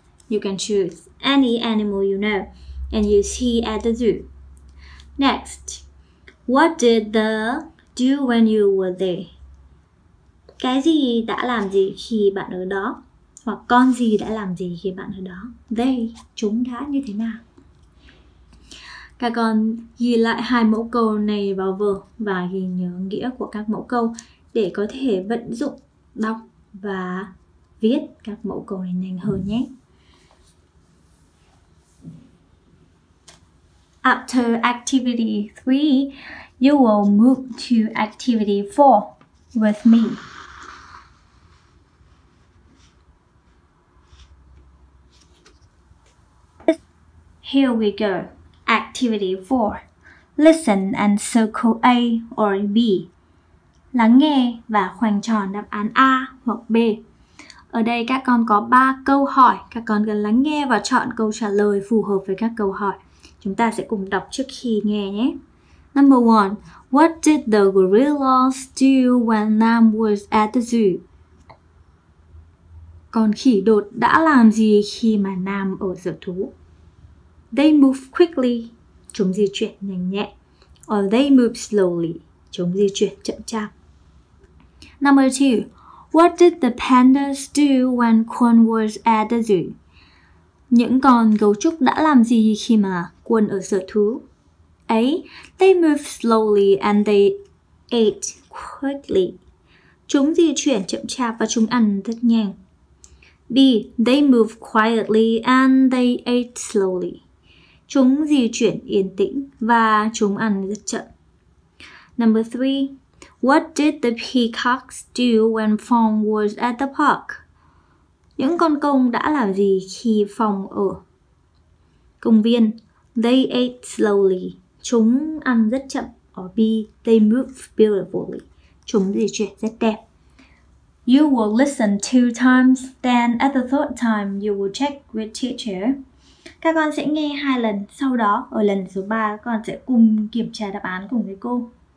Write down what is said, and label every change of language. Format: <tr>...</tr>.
<en>You can choose any animal you know and you see at the zoo. Next, what did the do when you were there?</en> <vi>Cái gì đã làm gì khi bạn ở đó? Hoặc con gì đã làm gì khi bạn ở đó? They, chúng đã như thế nào? Các con ghi lại hai mẫu câu này vào vở và ghi nhớ nghĩa của các mẫu câu để có thể vận dụng đọc và viết các mẫu câu này nhanh hơn nhé.</vi> <en>After activity 3, you will move to activity 4 with me. Here we go. Activity 4. Listen and circle A or B.</en> <vi>Lắng nghe và khoanh tròn đáp án A hoặc B. Ở đây các con có 3 câu hỏi. Các con cần lắng nghe và chọn câu trả lời phù hợp với các câu hỏi. Chúng ta sẽ cùng đọc trước khi nghe nhé.</vi> <en>Number 1. What did the gorillas do when Nam was at the zoo?</en> <vi>Con khỉ đột đã làm gì khi mà Nam ở sở thú?</vi> <en>They move quickly.</en> <vi>Chúng di chuyển nhanh nhẹn.</vi> <en>Or they move slowly.</en> <vi>Chúng di chuyển chậm chạp.</vi> <en>Number 2. What did the pandas do when Quân was at the zoo?</en> <vi>Những con gấu trúc đã làm gì khi mà Quân ở sở thú? A.</vi> <en>They move slowly and they ate quickly.</en> <vi>Chúng di chuyển chậm chạp và chúng ăn rất nhanh. B.</vi> <en>They move quietly and they ate slowly.</en> <vi>Chúng di chuyển yên tĩnh và chúng ăn rất chậm.</vi> <en>Number 3. What did the peacocks do when Fong was at the park?</en> <vi>Những con công đã làm gì khi Fong ở công viên?</vi> <en>They ate slowly.</en> <vi>Chúng ăn rất chậm.</vi> <en>Or B. They move beautifully.</en> <vi>Chúng di chuyển rất đẹp.</vi> <en>You will listen 2 times, then at the 3rd time, you will check with teacher.</en> <vi>Các con sẽ nghe 2 lần, sau đó ở lần số 3 các con sẽ cùng kiểm tra đáp án cùng với cô.</vi>